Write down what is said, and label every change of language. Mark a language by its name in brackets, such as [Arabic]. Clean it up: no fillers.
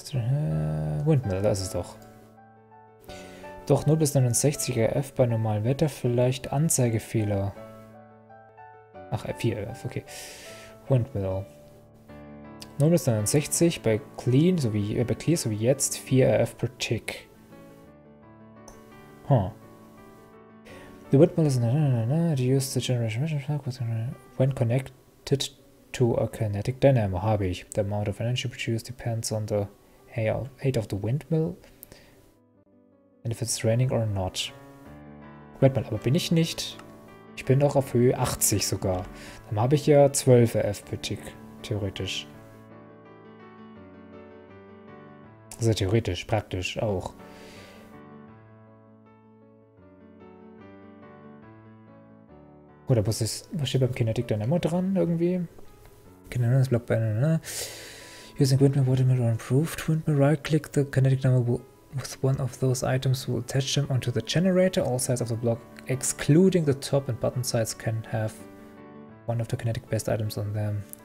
[German] Windmill, das ist doch. Doch 0 bis 69 RF bei normalem Wetter, vielleicht Anzeigefehler. Ach, 4 RF, okay. Windmill. 0 bis 69 bei Clean, so wie, bei Clear, so wie jetzt, 4 RF per Tick. Huh. [English] The windmill is used to generate emission when connected to a kinetic dynamo. [German] Habe ich. [English] The amount of energy produced depends on the height of the windmill and if it's raining or not. [German] Redmond, aber bin ich nicht? Ich bin doch auf Höhe 80 sogar. Dann habe ich ja 12 RF per Tick, theoretisch. Also theoretisch, praktisch auch. Oder was ist, was steht beim Kinetic Dynamo dran irgendwie? Kinetic Block Banner, ne? [English] Using Windmill Watermill or Improved Windmill, right click the Kinetic Dynamo with one of those items, will attach them onto the generator. All sides of the block, excluding the top and bottom sides, can have one of the Kinetic Based Items on them.